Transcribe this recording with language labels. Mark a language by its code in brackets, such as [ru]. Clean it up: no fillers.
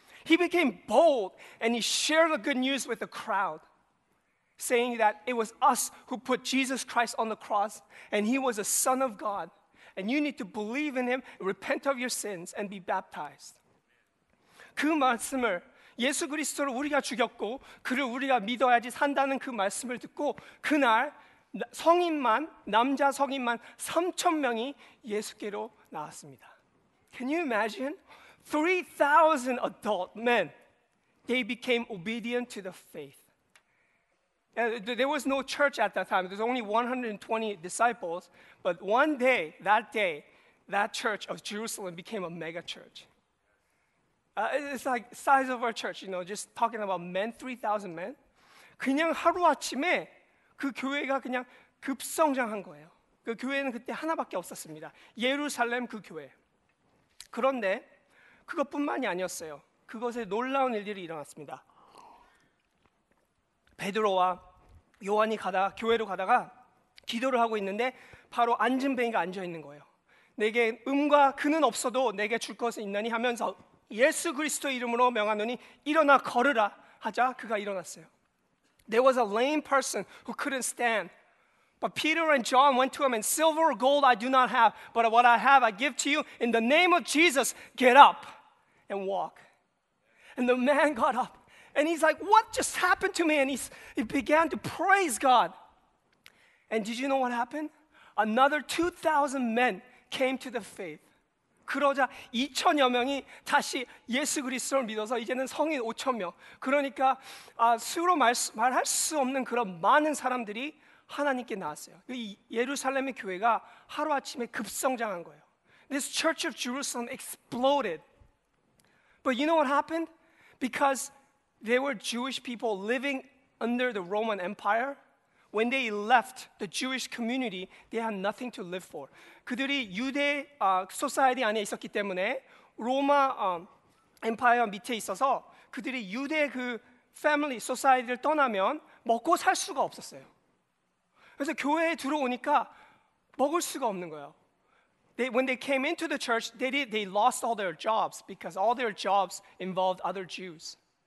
[en] He became bold and he shared the good news with the crowd, saying that it was us who put Jesus Christ on the cross and he was the Son of God. And you need to believe in him, repent of your sins, and be baptized. [ko] 그 말씀을 예수 그리스도를 우리가 죽였고 그를 우리가 믿어야지 산다는 그 말씀을 듣고 그날 성인만, 남자 성인만 3천 명이 예수께로 나왔습니다. [en] Can you imagine? 3,000 adult men, they became obedient to the faith. And there was no church at that time. There's only 120 disciples. But one day, that church of Jerusalem became a mega church. It's like size of our church, you know, just talking about men, 3,000 men. [ko] 그냥 하루아침에 그 교회가 그냥 급성장한 거예요. 그 교회는 그때 하나밖에 없었습니다. 예루살렘 그 교회. 그런데 그것뿐만이 아니었어요. 그것에 놀라운 일들이 일어났습니다. 베드로와 요한이 가다가 교회로 가다가 기도를 하고 있는데 바로 앉은뱅이가 앉아 있는 거예요. 내게 음과 그는 없어도 내게 줄 것은 있나니 하면서 예수 그리스도의 이름으로 명하노니 일어나 걸으라 하자 그가 일어났어요. [en] There was a lame person who couldn't stand. But Peter and John went to him and silver or gold I do not have, but what I have I give to you. In the name of Jesus, get up and walk. And the man got up and he's like, what just happened to me? And he began to praise God. And did you know what happened? Another 2,000 men came to the faith. [ko] 그러자 2천여 명이 다시 예수 그리스도를 믿어서 이제는 성인 5천 명. 그러니까 수로 말할 수 없는 그런 많은 사람들이 하나님께 나왔어요. 이 예루살렘의 교회가 하루아침에 급성장한 거예요. [en] This church of Jerusalem exploded. But you know what happened? Because there were Jewish people living under the Roman Empire. When they left the Jewish community, they had nothing to live for. [ko] 그들이 유대 소사이어티 안에 있었기 때문에 로마 엠파이어 밑에 있어서 그들이 유대 그 패밀리 소사이어티를 떠나면 먹고 살 수가 없었어요. 그래서 교회에 들어오니까 먹을 수가 없는 거예요. [en] When they came into the church, they lost all their jobs because all their jobs involved other Jews.